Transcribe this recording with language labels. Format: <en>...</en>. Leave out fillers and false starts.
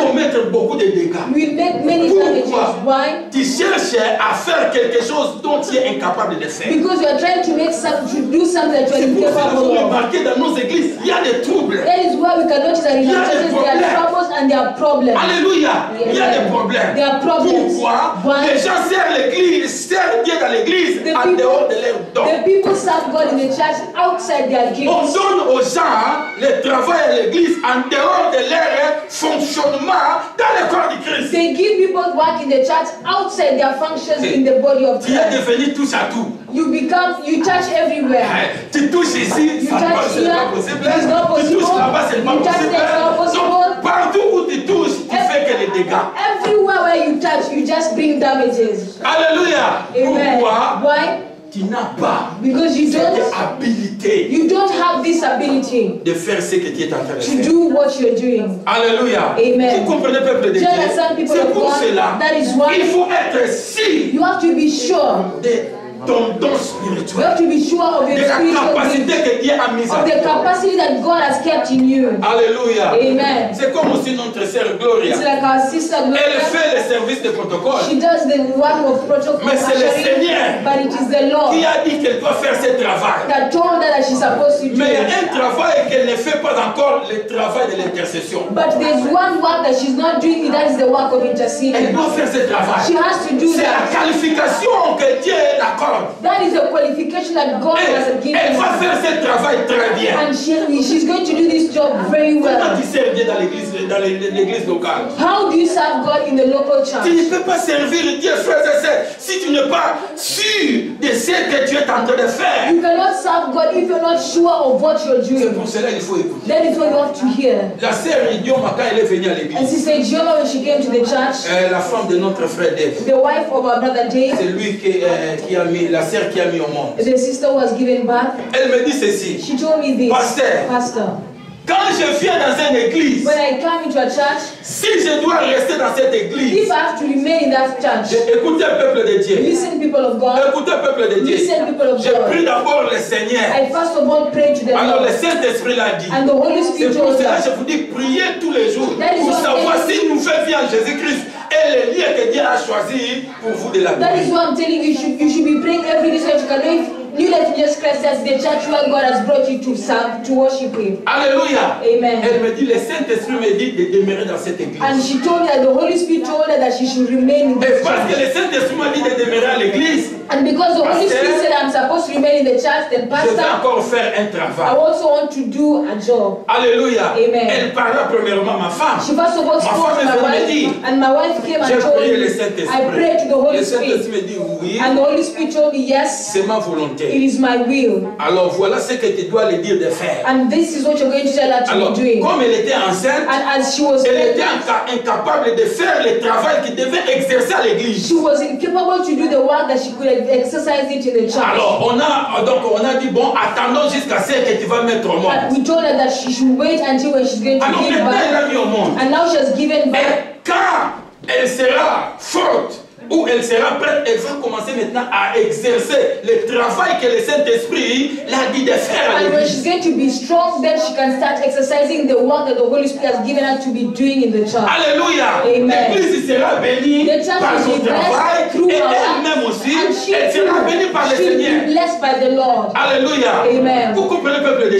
<fr>Tu vas commettre beaucoup de dégâts.</fr> <en>We make many damages. Why?</en> <fr>Tu cherches à faire quelque chose dont tu es incapable de faire.</fr> <en>Because you are trying to make something, to do something that you are incapable of.</en> <fr>C'est pour ça que dans nos églises, il y a des troubles.</fr> <en>That is why we cannot see that in our churches there are troubles and there are problems.</en> <fr>Alléluia! Il y a des problèmes.</fr> <en>There are problems.</en> <fr>Pourquoi? Les gens servent l'église, servent Dieu dans l'église en dehors de leurs dons.</fr> <en>The people serve God in the church outside their gifts.</en> <fr>On donne aux gens le travail à l'église en dehors de leur fonctionnement dans le corps du Christ.</fr> <en>They give people work in the church outside their functions in the body of Christ.</en> <fr>Tu es devenu touche à tout.</fr> <en>You touch everywhere.</en> <fr>Tu touches ici, ça ne peut pas possible.</fr> <en>It's not possible.</en> <fr>Tu touches là-bas, c'est pas possible.</fr> <en>It's not possible.</en> <fr>Donc, partout où tu touches, tu fais que les dégâts.</fr> <en>Everywhere where you touch, you just bring damages. Alléluia. Amen.</en> <fr>Pourquoi?</fr> <en>Why?</en> <fr>Tu n'as pas.</fr> <en>Because you</en> <fr>cette</fr> <en>don't.</en> <fr>Habilité.</fr> <en>You don't have this ability.</en> <fr>De faire ce que tu es en train de faire.</fr> <en>To do what you're doing. Alléluia. Amen.</en> <fr>Tu comprends le peuple de Dieu?</fr> <en>Just like</en> <fr>c'est pour</fr> <en>God,</en> <fr>cela.</fr> <en>That is why.</en> <fr>Il faut être sûr.</fr> <en>You have to be sure.</en> <fr>De ton don spirituel.</fr> <en>You have to be sure of your spiritual gift.</en> <fr>De la capacité que Dieu a mise en toi.</fr> <en>The capacity that God has kept in you. Alléluia. Amen.</en> <fr>C'est comme aussi notre sœur Gloria.</fr> <en>It's like our sister Gloria.</en> <fr>Elle fait le service de protocole.</fr> <en>She does the work of protocol.</en> <fr>Mais c'est le Seigneur.</fr> <en>But it is the Lord.</en> <fr>Qui a dit qu'elle doit faire ce travail?</fr> <en>That told her that she's supposed to do.</en> <fr>Mais il y a un travail qu'elle ne fait pas encore, le travail de l'intercession.</fr> <en>But there's one work that she's not doing, and that is the work of intercession.</en> <fr>Elle doit faire ce travail.</fr> <en>She has to do</en> <fr>c'est</fr> <en>that.</en> <fr>C'est la qualification que Dieu a accordée.</fr> <en>That is a qualification that God</en> <fr>elle,</fr> <en>has given</en> <fr>elle va faire ce travail très bien.</fr> <en>And she's going to do this job very well.</en> <fr>Comment tu serves Dieu dans l'église, l'église locale?</fr> <en>How do you serve God in the local church?</en> <fr>Tu ne peux pas servir Dieu, frères et sœurs, si tu n'es pas sûr de ce que Dieu est en train de faire.</fr> <en>You cannot serve God if you're not sure of what you're doing.</en> <fr>C'est pour cela qu'il faut écouter.</fr> <en>That is what you have to hear.</en> <fr>La sœur Idioma, quand elle est venue à l'église.</fr> <en>And she said Idioma when she came to the church.</en> <fr>La femme de notre frère Dave.</fr> <en>The wife of our brother Dave.</en> <fr>C'est lui qui a mis la sœur qui a mis au monde.</fr> <en>The sister was given birth.</en> <fr>Elle me dit ceci.</fr> <en>She told me this.</en> <fr>Pasteur. Quand je viens dans une église.</fr> <en>When I come into a church.</en> <fr>Si je dois rester dans cette église.</fr> <en>If I have to remain in that church.</en> <fr>Écoutez peuple de Dieu.</fr> <en>Listen people of God.</en> <fr>Écoutez peuple de Dieu.</fr> <en>Listen people of God.</en> <fr>Je prie d'abord le Seigneur.</fr> <en>I first of all pray to the Lord.</en> <fr>Alors le Saint-Esprit l'a dit.</fr> <en>And the Holy Spirit told me.</en> <fr>C'est pour cela que je vous dis priez tous les jours.</fr> <en>That is</en> <fr>pour savoir si nous faisons vie en Jésus-Christ. Et le lieu que Dieu a choisi pour vous de la vie.</fr> <en>That is why I'm telling you, you should be praying every day so you can live new life in Jesus Christ as the church where God has brought you to serve, to worship Him. Alléluia. Amen.</en> <fr>Elle me dit, le Saint-Esprit me dit de demeurer dans cette église.</fr> <en>And she told me that the Holy Spirit told her that she should remain in the church.</en> <fr>Et parce que le Saint-Esprit m'a dit de demeurer à l'église.</fr> <en>And because the Holy Spirit said I'm supposed to remain in the church, then pastor,</en> <fr>je vais encore faire un travail.</fr> <en>I also want to do a job. Alléluia. Amen.</en> <fr>Elle parla premièrement ma femme.</fr> <en>She first of all spoke to my wife. And my wife came and told me.</en> <fr>Le Saint-Esprit.</fr> <en>I prayed to the Holy Spirit.</en> <fr>Le Saint-Esprit me dit oui.</fr> <en>And the Holy Spirit told me yes.</en> <fr>C'est ma volonté.</fr> <en>It is my will.</en> <fr>Alors voilà ce que tu dois lui dire de faire.</fr> <en>And this is what you're going to tell her to</en> <fr>alors,</fr> <en>be doing.</en> <fr>Comme elle était enceinte,</fr> <en>and as she was</en> <fr>elle</fr> <en>pregnant,</en> <fr>était incapable de faire le travail qu'elle devait exercer à l'église.</fr> <en>She was incapable to do the work that she could exercise it in the church.</en> <fr>Alors on a dit bon attendons jusqu'à ce que tu vas mettre au monde.</fr> <en>But we told her that she should wait until when she's going to</en> <fr>alors,</fr> <en>give birth.</en> <fr>Elle a mis au monde.</fr> <en>And now she has given birth.</en> <fr>Et quand elle sera forte ou elle sera prête, elle va commencer maintenant à exercer le travail que le Saint-Esprit l'a dit de faire.</fr> <en>And when she's going to be strong, then she can start exercising the work that the Holy Spirit has given her to be doing in the church. Alléluia. Amen.</en> <fr>L'Église sera bénie par son travail</fr> <en>through</en> <fr>et elle-même aussi, elle sera bénie par le Seigneur.</fr> <en>Be blessed by the Lord. Alléluia. Amen.</en> <fr>Vous comprenez le peuple de Dieu?</fr>